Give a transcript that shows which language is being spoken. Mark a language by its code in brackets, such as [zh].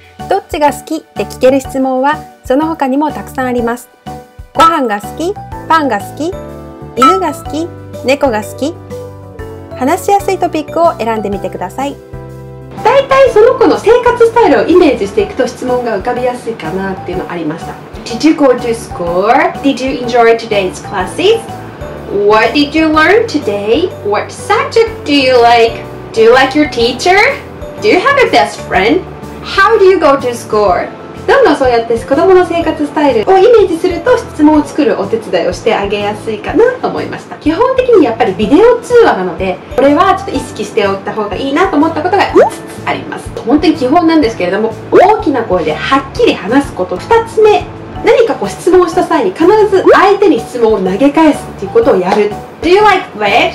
[ja] どっちが好きって聞ける質問はその他にもたくさんあります。ご飯が好き、パンが好き、犬が好き、猫が好き、話しやすいトピックを選んでみてください。だいたいその子の生活ルをイメージしていくと質問が浮かびやすいかなっていうのがありました。 [en] Did you go to school? Did you enjoy today's classes? What did you learn today? What subject do you like? Do you like your teacher? Do you have a best friend? How do you go to school? [ja] どんどんそうやって子どもの生活スタイルをイメージすると質問を作るお手伝いをしてあげやすいかなと思いました。基本的にやっぱりビデオ通話なので、これはちょっと意識しておいた方がいいなと思ったことが5つあります。本当に基本なんですけれども、大きな声ではっきり話すこと、2つ目、何かこう質問した際に必ず相手に質問を投げ返すっていうことをやる。 [en] Do you like red?